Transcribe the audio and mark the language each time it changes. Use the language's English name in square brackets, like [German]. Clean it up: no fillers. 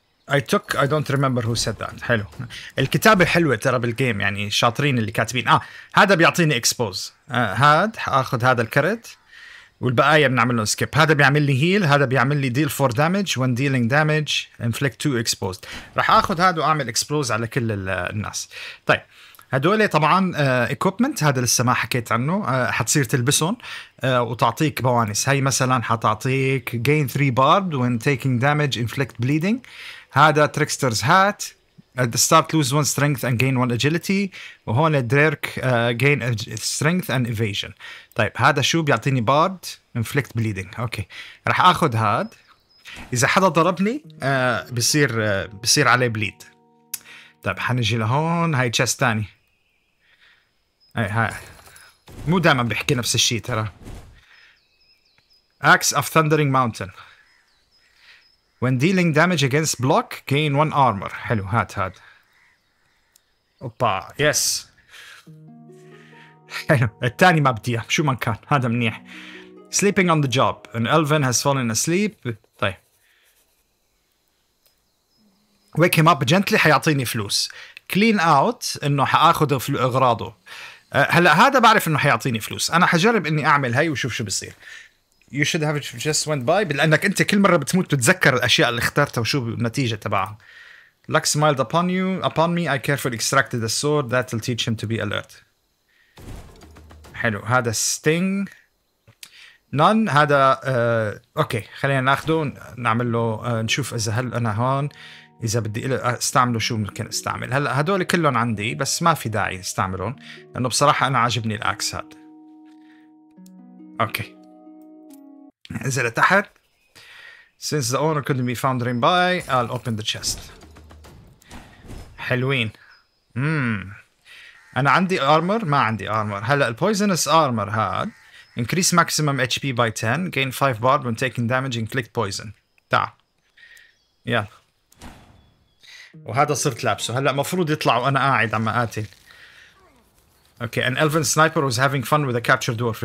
[English] I don't remember who said that. [Arabic] حلو، الكتابة حلوة ترى بالجيم، يعني شاطرين اللي كاتبين. هذا بيعطيني اكسبوز. هاد حاخذ هذا الكرت والبقايا بنعمل لهم سكيب. هذا بيعمل لي هيل، هذا بيعمل لي [English] Deal for damage, when dealing damage inflict two expose. [Arabic] راح اخذ هذا واعمل اكسبوز على كل الناس. طيب هدول طبعا equipment، هذا لسه ما حكيت عنه، حتصير تلبسهم وتعطيك بوانس. هاي مثلا حتعطيك [English] gain 3 barbed when taking damage inflict bleeding. هذا trickster's hat at the start lose 1 strength and gain 1 agility. [Arabic] وهون الدريرك [English] gain strength and evasion. [Arabic] طيب هذا شو بيعطيني [English] barbed inflict bleeding. [Arabic] اوكي راح اخذ هاد. اذا حدا ضربني بصير بصير عليه بليد. طيب حنجي لهون، هاي تشيست تاني، هاي هاي مو دائما بيحكي نفس الشيء ترى. [English] Axe of Thundering Mountain. When dealing damage against block, gain one armor. [Arabic] حلو، هات هات. اوبا، يس. حلو، الثاني ما بدي، شو ما كان، هذا منيح. [English] Sleeping on the job. An elven has fallen asleep. [Arabic] طيب. [English] Wake him up gently، [Arabic] حيعطيني فلوس. Clean out، انه حاخذ اغراضه. هلا هذا بعرف انه حيعطيني فلوس، انا حجرب اني اعمل هاي وشوف شو بصير. [English] You should have just went by، [Arabic] لأنك أنت كل مرة بتموت بتتذكر الأشياء اللي اخترتها وشو النتيجة تبعها. [English] Luck smiled upon you, upon me. I carefully extracted the sword that will teach him to be alert. [Arabic] حلو، هذا sting. None، هذا أوكي، خلينا ناخده نعمل له نشوف إذا هل أنا هون إذا بدي استعمله شو ممكن استعمل. هلا هدول كلهم عندي بس ما في داعي استعملهم لأنه بصراحة أنا عاجبني الأكس هاد. أوكي. انزل تحت. [English] Since the owner couldn't be found nearby, I'll open the chest. [Arabic] حلوين. انا عندي armor، ما عندي armor. [English] هلا poisonous armor هاد increase maximum HP by 10، gain 5 bar when taking damage and click poison. [Arabic] تع. يلا. وهذا صرت لابسه. هلا مفروض يطلع وانا قاعد عم اقاتل. [English] Okay, an elven sniper was having fun with a captured dwarf.